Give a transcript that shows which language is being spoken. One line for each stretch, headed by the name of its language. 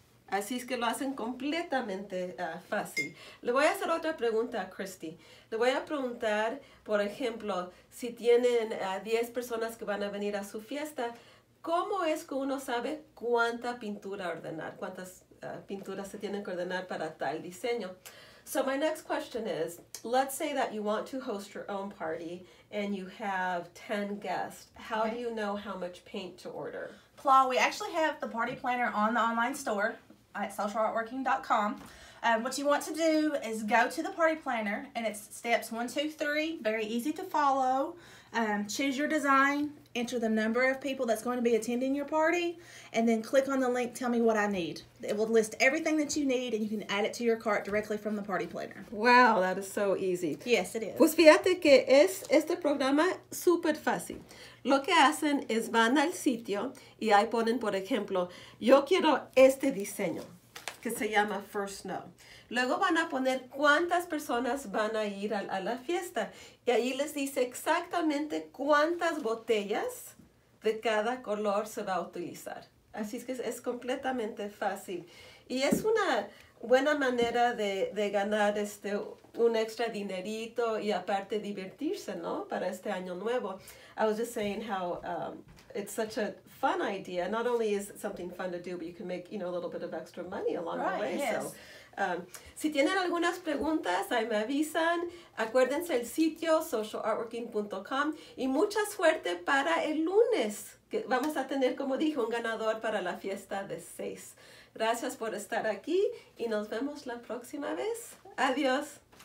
Spanish: Así es que lo hacen completamente fácil. Le voy a hacer otra pregunta a Christy. Le voy a preguntar, por ejemplo, si tienen 10 personas que van a venir a su fiesta, ¿cómo es que uno sabe cuánta pintura ordenar? ¿Cuántas pinturas se tienen que ordenar para tal diseño?
English: So my next question is, let's say that you want to host your own party and you have 10 guests. How do you know how much paint to order? Plaw, we actually have the party planner on the online store at socialartworking.com. What you want to do is go to the party planner, and it's steps 1, 2, 3, very easy to follow. Choose your design, enter the number of people that's going to be attending your party, and then click on the link, tell me what I need. It will list everything that you need, and you can add it to your cart directly from the party planner. Wow, that is so easy. Yes, it is.
Spanish: Pues fíjate que es este programa súper fácil. Lo que hacen es van al sitio y ahí ponen, por ejemplo, yo quiero este diseño, que se llama First Snow. Luego van a poner cuántas personas van a ir a la fiesta. Y ahí les dice exactamente cuántas botellas de cada color se va a utilizar. Así es que es completamente fácil. Y es una buena manera de ganar un extra dinerito y aparte divertirse, ¿no? Para este año nuevo.
English: I was just saying how it's such a fun idea. Not only is it something fun to do, but you can make, a little bit of extra money along right, the way. Yes.
Spanish: So, si tienen algunas preguntas, ahí me avisan. Acuérdense el sitio socialartworking.com y mucha suerte para el lunes, que vamos a tener, como dije, un ganador para la fiesta de 6. Gracias por estar aquí y nos vemos la próxima vez. Adiós.